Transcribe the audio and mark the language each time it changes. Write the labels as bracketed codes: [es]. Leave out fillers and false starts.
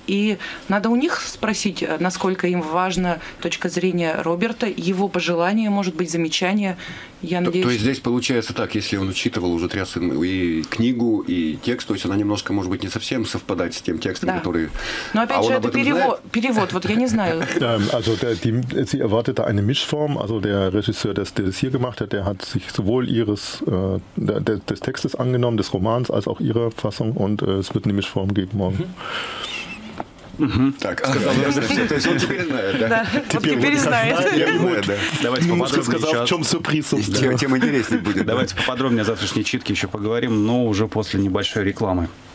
[ru] И надо у них спросить, насколько им важна точка зрения Роберта, его пожелания, может быть, замечания. То есть здесь получается так, если он учитывал уже Трясцин и книгу, и текст, то есть она немножко, может быть, не совсем совпадает с тем текстом, да. Который... Но опять же, это перевод, вот я не знаю. [de] Also, sie erwartete eine Mischform, also der Regisseur, der das hier gemacht hat, der hat sich sowohl des Textes angenommen, des Romans, als auch ihrer Fassung, und es wird eine Mischform geben morgen. [ru] Так, сказал Роберт, то есть он теперь знает, да? Теперь знает. Давайте поподробнее сейчас. В чем сюрприз, собственно. Тем интереснее будет. Давайте поподробнее о завтрашней читке еще поговорим, но уже после небольшой рекламы.